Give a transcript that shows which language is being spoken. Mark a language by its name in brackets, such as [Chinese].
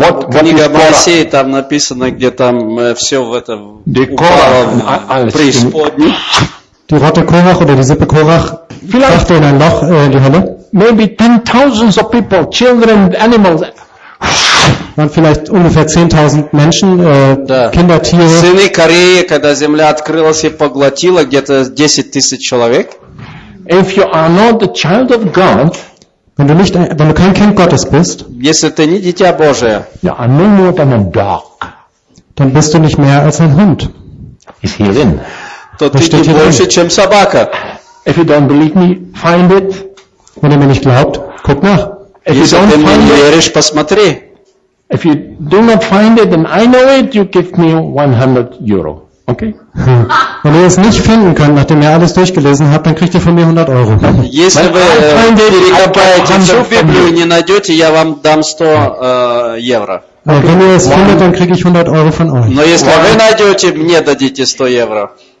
[Russian] Книга Моисея, там написано, где там все в это упало в преисподнюю. [German] Die Rotte Korach oder die Sippe Korach krachte in ein Loch in die Hölle. [English] Maybe 10,000 of people, children, animals. [German] Waren vielleicht ungefähr 10,000 Menschen, Kinder, Tiere. [Russian] Сыны Кореи, когда земля открылась и поглотила где-то 10,000 человек. [English] If you are not the child of God, [German] wenn du nicht, wenn du kein Kind Gottes bist, [Russian] если ты не дитя Божие, [English] yeah, I'm not a dog, [German] dann bist du nicht mehr als ein Hund. [English] Is herein. [Russian] То ты не больше, чем собака. [English] If you don't believe me, find it. [German] Wenn ihr mir nicht glaubt, guck nach. [Russian] Если ты мне не веришь, посмотри. [English] If you do not find it and I know it, you give me 100 euro. Okay? [German] Wenn ihr es nicht finden könnt, nachdem ihr alles durchgelesen habt, dann kriegt ihr von mir 100 Euro. [Russian] Если вы перекопаете всю Библию и не найдете, я вам дам 100 евро. [German] Wenn ihr es findet, dann kriege ich 100 Euro von euch. [Russian] Но если вы найдете, мне дадите 100 евро.